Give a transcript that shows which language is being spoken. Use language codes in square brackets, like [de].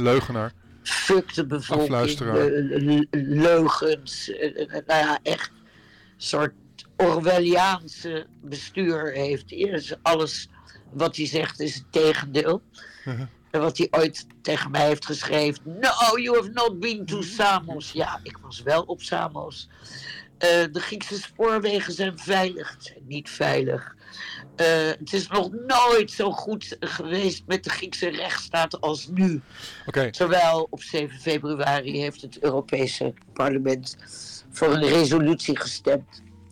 [nl] Een leugenaar. Fuck de bevolking. Leugens. Nou ja, echt een soort Orwelliaanse bestuur heeft. Alles wat hij zegt is het tegendeel. Uh-huh. En wat hij ooit tegen mij heeft geschreven. [en] No, you have not been to Samos. [nl] Ja, ik was wel op Samos. De Griekse spoorwegen zijn veilig. Het zijn niet veilig. Het is nog nooit zo goed geweest met de Griekse rechtsstaat als nu. [en] Okay. [nl] Terwijl op 7 februari heeft het Europese parlement voor een resolutie gestemd.